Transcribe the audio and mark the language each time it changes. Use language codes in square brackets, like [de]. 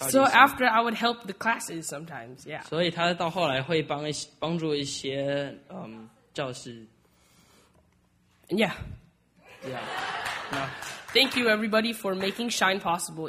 [en] So after I would help the classes sometimes, yeah. [zh] 所以他到后来会帮助一些教师。 [en] Yeah. Yeah. Now, thank you everybody for making Shine possible.